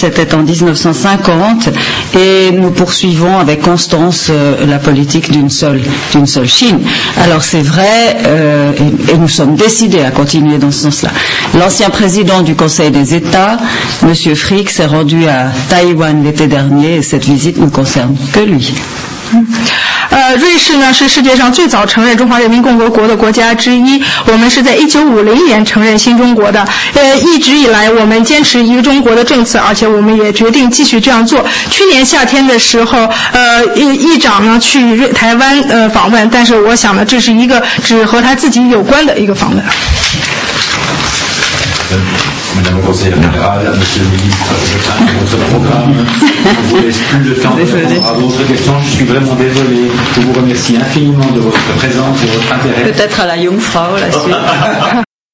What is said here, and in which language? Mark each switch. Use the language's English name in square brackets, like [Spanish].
[French] C'était en 1950 et nous poursuivons avec constance la politique d'une seule Chine. Alors c'est vrai et nous sommes décidés à continuer dans ce sens-là. L'ancien président du Conseil des États, M. Frick, s'est rendu à Taïwan l'été dernier et cette visite ne concerne que lui. [Chinese] 瑞士呢是世界上最早承认中华人民共和国的国家之一，我们是在1950年承认新中国的。一直以来我们坚持一个中国的政策，而且我们也决定继续这样做。去年夏天的时候，议长呢去台湾访问，但是我想呢，这是一个只和他自己有关的一个访问。 [French] Madame la conseillère générale, monsieur le ministre, votre programme, je vous laisse plus de temps pour répondre à votre question. Je suis vraiment désolé. Je vous remercie infiniment de votre présence et de votre intérêt. Peut-être à la Jungfrau, la suite.